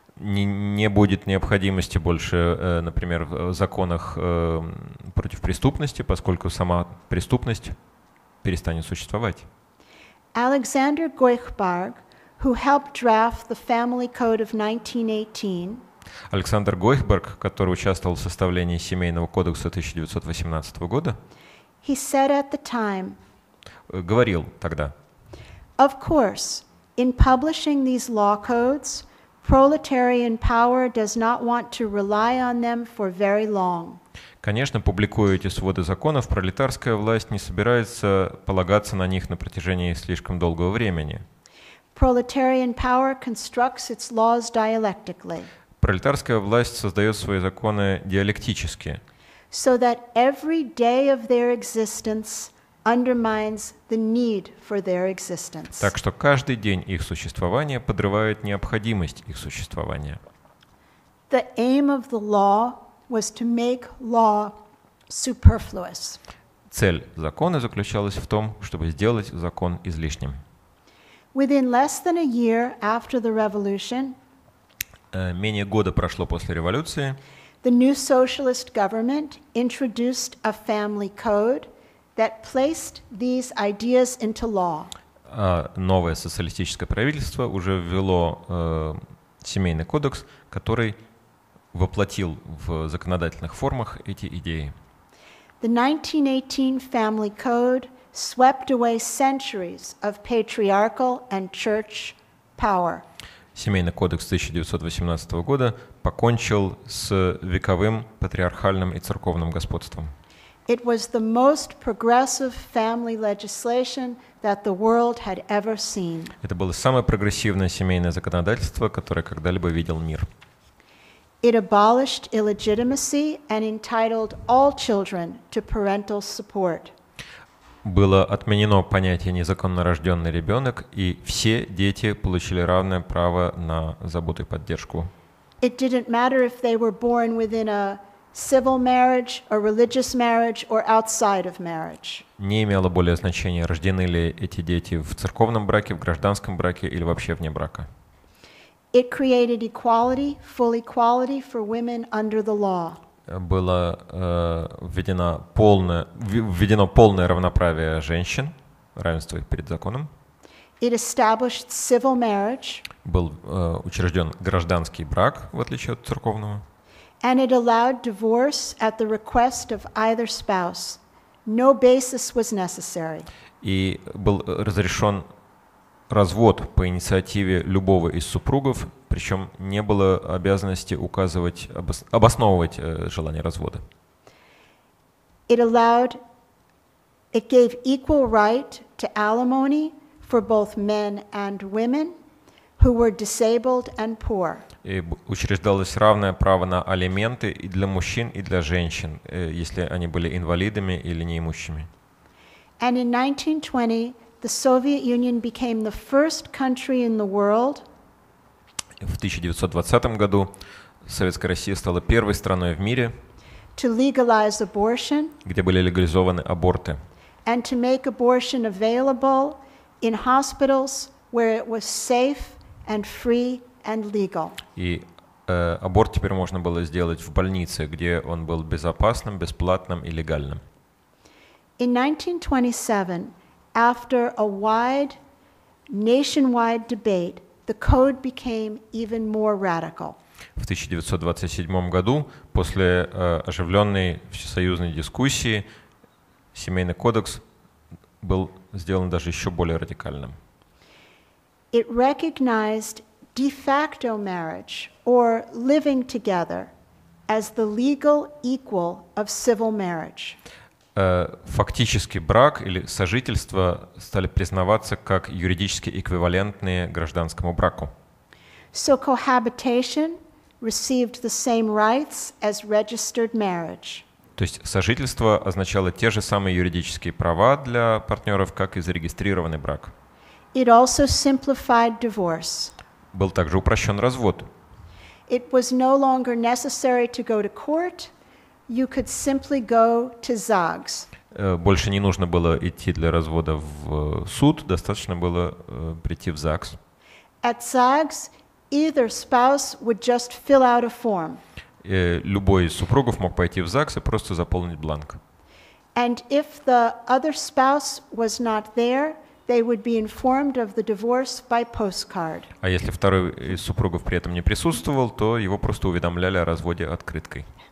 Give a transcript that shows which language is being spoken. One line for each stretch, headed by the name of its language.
Russian: Не будет необходимости больше, например, в законах против преступности, поскольку сама преступность перестанет существовать.
English: Александр Гойхбарг, who helped draft the Family Code of 1918.
Russian: Александр Гойхберг, который участвовал в составлении Семейного кодекса 1918 года.
English: He said at the time.
Russian: Говорил тогда.
English: Of course, in publishing these law codes, proletarian power does not want to rely on them for very long.
Russian: Конечно, публикуя эти своды законов, пролетарская власть не собирается полагаться на них на протяжении слишком долгого времени.
English: Proletarian power constructs its laws dialectically.
Russian: Пролетарская власть создает свои законы диалектически.
English: So that every day of their existence undermines the need for their existence.
Russian: Так что каждый день их существования подрывает необходимость их существования.
English: The aim of the law was to make law superfluous.
Russian: Цель закона заключалась в том, чтобы сделать закон излишним.
English: Within less than a year after the revolution,
Russian: менее года прошло после революции,
English: the new socialist government introduced a family code that placed these ideas into law.
Russian: Новое социалистическое правительство уже ввело семейный кодекс, который воплотил в законодательных формах эти идеи.
English: The 1918 family code swept away centuries of patriarchal and church power.
Russian: Семейный кодекс 1918 года покончил с вековым патриархальным и церковным господством.
English: It was the most progressive family legislation that the world had ever seen.
Russian: Это было самое прогрессивное семейное законодательство, которое когда-либо видел мир.
English: It abolished illegitimacy and entitled all children to parental support.
Russian: Было отменено понятие незаконно рожденный ребенок, и все дети получили равное право на заботу и поддержку.
English: It didn't matter if they were born within a civil marriage, a religious marriage, or outside of marriage.
Russian: Не имело более значения, рождены ли эти дети в церковном браке, в гражданском браке или вообще вне брака.
English: It created equality, full equality for women under the law.
Russian: Было введено полное равноправие женщин, равенство их перед законом.
English: It established civil marriage.
Russian: Был учрежден гражданский брак, в отличие от церковного.
English: And it allowed divorce at the request of either spouse. No basis was necessary.
Russian: И был разрешен развод по инициативе любого из супругов, причем не было обязанности обосновывать желание развода.
English: It gave equal right to alimony for both men and women who were disabled and poor.
Russian: И учреждалось равное право на алименты и для мужчин, и для женщин, если они были инвалидами или неимущими.
English: And in 1920, the Soviet Union became the first country in the world.
Russian: В 1920 году Советская Россия стала первой страной в мире,
English: to legalize abortion,
Russian: где были легализованы аборты,
English: and to make abortion available in hospitals where it was safe and free and legal.
Russian: И аборт теперь можно было сделать в больнице, где он был безопасным, бесплатным и легальным.
English: In 1927, after a wide nationwide debate, the code became even more radical.
Russian: В 1927 году, после оживленной всесоюзной дискуссии, семейный кодекс был сделан даже еще более радикальным.
English: It recognized de facto marriage, or living together, as the legal equal of civil marriage.
Russian: Фактически брак или сожительство стали признаваться как юридически эквивалентные гражданскому браку.
English: So cohabitation received the same rights as registered marriage.
Russian: То есть сожительство означало те же самые юридические права для партнеров, как и зарегистрированный брак.
English: It also simplified divorce.
Russian: Был также упрощен развод.
English: It was no longer necessary to go to court. You could simply go to ZAGS.
Russian: Больше не нужно было идти для развода в суд, достаточно было прийти в ЗАГС.
English: At ZAGS, either spouse would just fill out a form.
Russian: Любой из супругов мог пойти в ЗАГС и просто заполнить бланк.
English: And if the other spouse was not there, they would be informed of the divorce by postcard.
Russian: А если второй из супругов при этом не присутствовал, то его просто уведомляли о разводе открыткой.